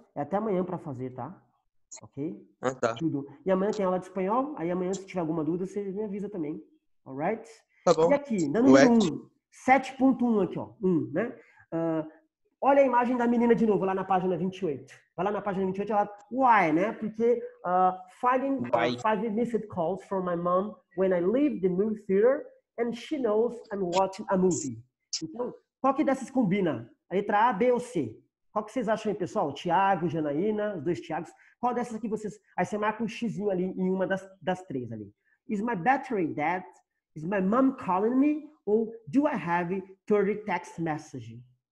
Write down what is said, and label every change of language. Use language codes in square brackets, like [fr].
[pt] É até amanhã pra fazer, tá? Ok? Ah, tá. Tudo. E amanhã tem aula de espanhol. Aí amanhã, se tiver alguma dúvida, você me avisa também. [en] Alright? [pt] Tá bom. E aqui, dando 7.1 aqui, ó. 1, né? Olha a imagem da menina de novo lá na página 28. Vai lá na página 28 e ela. Why, né? Porque. [en] Five missed calls from my mom when I leave the movie theater. And she knows I'm watching a movie. [pt] Então, qual que dessas combina? A letra A, B ou C? Qual que vocês acham aí, pessoal? Tiago, Janaína, os dois Tiagos. Qual dessas aqui vocês... Aí você marca um xizinho ali em uma das três ali. [en] Is my battery dead? Is my mom calling me? Ou do I have 30 text messages?